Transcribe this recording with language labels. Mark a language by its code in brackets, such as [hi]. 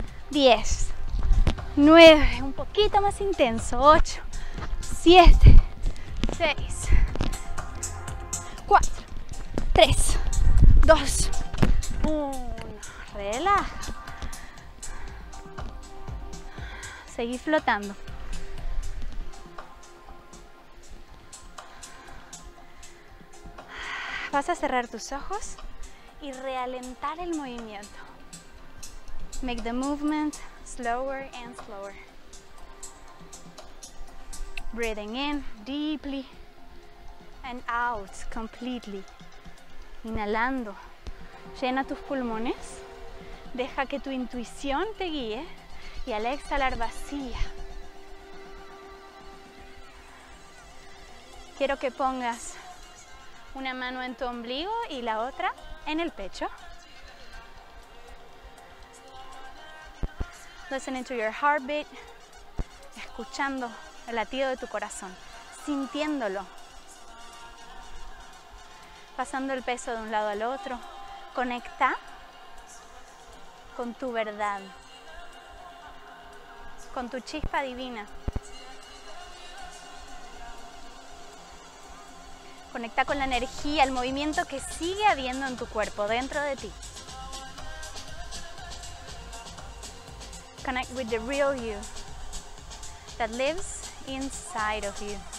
[es] 10, 9, un poquito más intenso, 8, 7, 6, 4, 3, 2, 1, relaja. Seguí flotando. Vas a cerrar tus ojos y realentar el movimiento. [en] Make the movement slower and slower. Breathing in deeply and out completely. [es] Inhalando. Llena tus pulmones. Deja que tu intuición te guíe. Y al exhalar, vacía. Quiero que pongas una mano en tu ombligo y la otra en el pecho. [en] Listening to your heartbeat. [es] Escuchando el latido de tu corazón. Sintiéndolo. Pasando el peso de un lado al otro. Conecta con tu verdad. Con tu chispa divina. Conecta con la energía, el movimiento que sigue habiendo en tu cuerpo, dentro de ti. [en] Connect with the real you that lives inside of you.